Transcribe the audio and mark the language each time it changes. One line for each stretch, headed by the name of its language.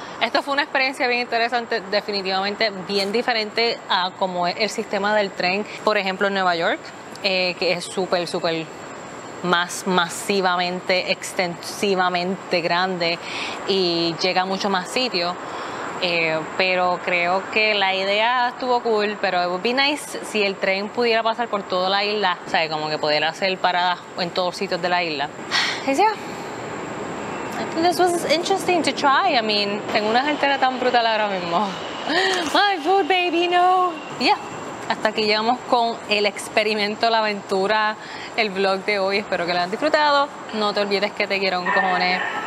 Spanish: Esto fue una experiencia bien interesante, definitivamente bien diferente a como es el sistema del tren, por ejemplo, en Nueva York, que es súper, súper más masivamente, extensivamente grande y llega a mucho más sitios. Pero creo que la idea estuvo cool, pero
English: it would be nice
Spanish: si el tren pudiera pasar por toda la isla, o sea, como que pudiera hacer paradas en todos los sitios de la isla. ¿Sí?
English: I think this was interesting to try. I mean,
Spanish: tengo una jartera tan brutal ahora mismo.
English: My food, baby, no. Yeah.
Spanish: Hasta aquí llegamos con el experimento, la aventura, el vlog de hoy. Espero que lo hayan disfrutado. No te olvides que te quiero un cojones.